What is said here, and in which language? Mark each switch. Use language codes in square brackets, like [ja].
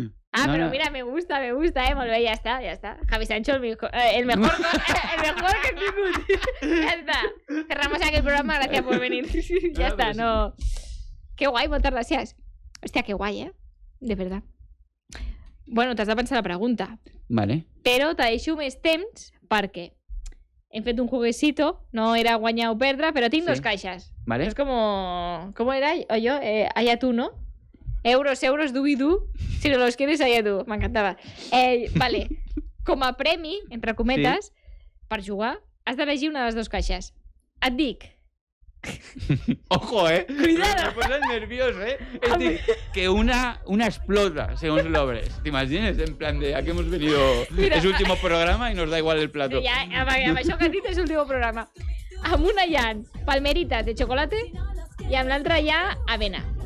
[ca] Ah, no, però mira, [es] me gusta, [ca] molt bé, ja està. Javi Sancho, el mejor que he tingut. Ja està. [es] Cerramos aquí el programa, gracias por venir. Ya está, no. Qué guay, muchas gracias. [ca] Hòstia, que guai, eh? De veritat. Bueno, t'has de pensar la pregunta. Vale. Però te deixo més temps perquè hem fet un juguecito, no era guanyar o perdre, però tinc sí. Dos caixes. Vale. És com... [es] ¿Cómo era? Oye, allá tú, ¿no? Euros, dubidú. Si no los quieres, allá tú. [ca] M'encantava. Vale. Com a premi, entre cometes, sí. Per jugar, has d'elegir una de les dues caixes. Et dic... [es] Ojo, cuidado. Me pones nervioso, eh. Es decir, que una explota según lo abres. ¿Te imaginas? En plan de, aquí hemos venido. Mira, es último programa y nos da igual el plato. [ca] Ya, amb això que has dit és l'últim programa. Amb una hi ha [es] palmeritas de chocolate y [ca] amb l'altra hi ha avena.